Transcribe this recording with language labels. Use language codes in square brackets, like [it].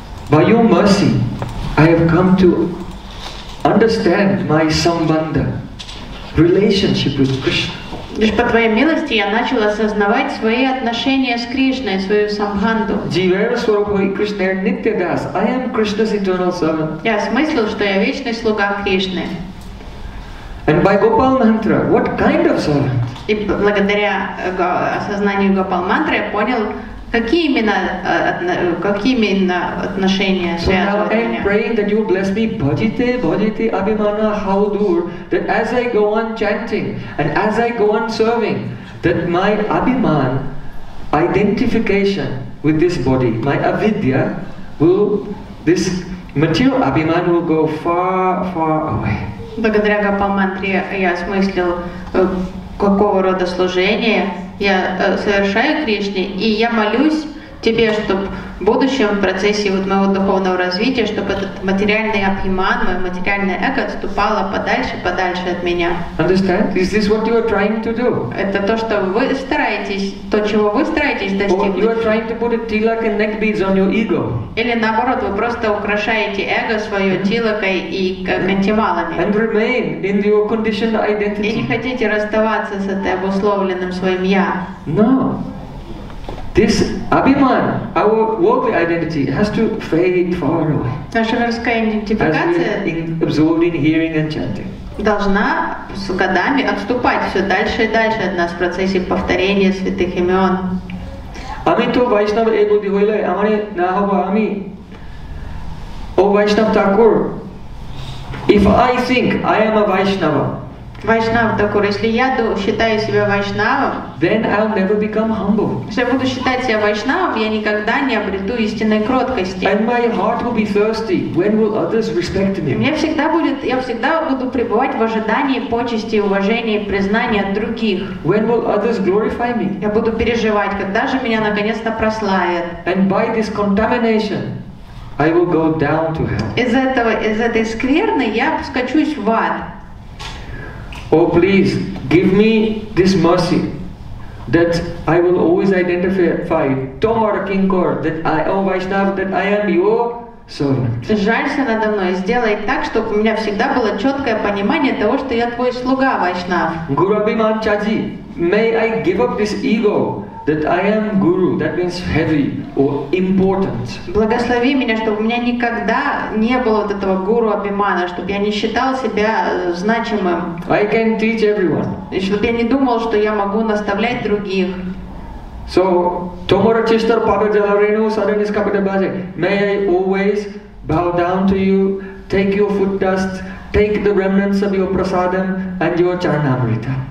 [en] By your mercy, I have come to understand my sambandha, relationship with Krishna. [ru] Лишь по твоей милости я начал осознавать свои отношения с Кришной, свою самбанду. Я осмыслил, что я вечный слуга Кришны. [en] And by Gopal mantra, what kind of servant? [ru] И благодаря осознанию Гопал мантры я понял, какие именно отношения связаны. [en] So now I'm praying that you bless me, [bn] bhajite, bhajite, abhimana, how dur, [en] that as I go on chanting and as I go on serving, that my abhiman, identification with this body, my avidya, will, this material abhiman will go far, far away. [ru] Благодаря Гопал мантре я осмыслил, какого рода служение я совершаю Кришне, и я молюсь тебе, чтобы в будущем, в процессе вот моего духовного развития, чтобы этот материальный абхиман, мое материальное эго отступало подальше, подальше от меня. [en] Understand? Is this what you are trying to do? [ru] Это то, что вы стараетесь, то, чего вы стараетесь достигнуть. [en] You are trying to put a tilak and neck beads on your ego. [ru] Или наоборот, вы просто украшаете эго свое тилакой и кантималами. [en] And remain in your conditioned identity. [ru] И не хотите расставаться с этой обусловленным своим я. [en] No. This abhiman, our worldly identity, has to fade far away. [ru] Наша мирская идентификация [en] absorbed in hearing and chanting. [ru] Должна с годами отступать все дальше и дальше от нас в процессе повторения святых имен. [bn] Ами то вайшнав эбуди хойле, амане нахава ами. О вайшнав такур, [en] if I think I am a вайшнава, [ru] Вайшнава такур, если я считаю себя вайшнавом, [en] then I'll never become humble. [ru] Если я буду считать себя вайшнавом, я никогда не обрету истинной кроткости. [en] And my heart will be thirsty. When will others respect me? [ru] Я всегда буду пребывать в ожидании почести, уважения, признания от других. [en] When will others glorify me? [ru] Я буду переживать, когда же меня наконец-то прославят. [en] And by this contamination, I will go down to hell. [ru] Из этой скверны я скачусь в ад. [en] Oh, please, give me this mercy that I will always identify [bn] Tomar Kinkor, [en] that I am Vaishnav, that I am your servant. [ru] Жалься надо мной, сделай так, чтобы у меня всегда было четкое понимание того, что я твой слуга, Вайшнав. [bn] Guru Abhiman Chaji, [en] may I give up this ego that I am guru, that means heavy or important. [ru] Благослови меня, чтобы у меня никогда не было вот этого гуру Абимана, чтобы я не считал себя значимым. [en] I can teach everyone. [ru] И чтобы я не думал, что я могу наставлять других. [en] So, [bn] tomorrow Chester Papa Jalareno, Sadhana Iskapita Bhaja, [en] may I always bow down to you, take your foot dust, take the remnants of your prasadam and your charanamrita.